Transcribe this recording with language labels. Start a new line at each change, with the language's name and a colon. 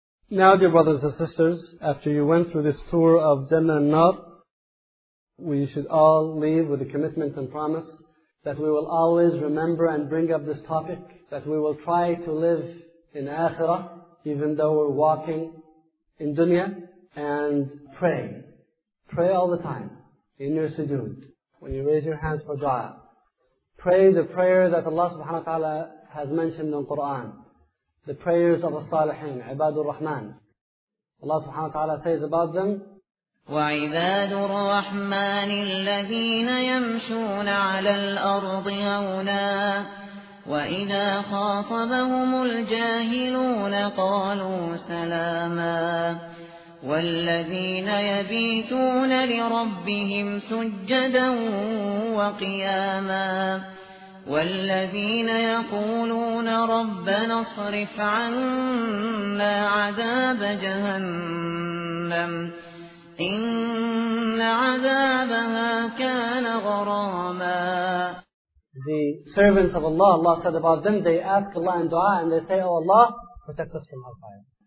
English: Now, dear brothers and sisters, after you went through this tour of Jannah and Nar, we should all leave with a commitment and promise that we will always remember and bring up this topic, that we will try to live in Akhirah, even though we're walking in dunya, and pray. Pray all the time, in your sujood, when you raise your hands for dua. Pray the prayer that Allah subhanahu wa ta'ala has mentioned in Qur'an. The prayers of as-salihin, ibadur rahman. Allah subhanahu wa ta'ala says about them,
Arabic: وعباد الرحمن الذين يمشون على الأرض هونا وإذا خاطبهم الجاهلون قالوا سلاما والذين يبيتون لربهم سجدا وقياما والذين يقولون ربنا اصرف عنا عذاب جهنم إِنَّ عَذَابَهَا كَانَ غَرَامًا.
English: The servants of Allah, Allah said about them, they ask Allah in dua and they say, Oh Allah, protect us from hellfire.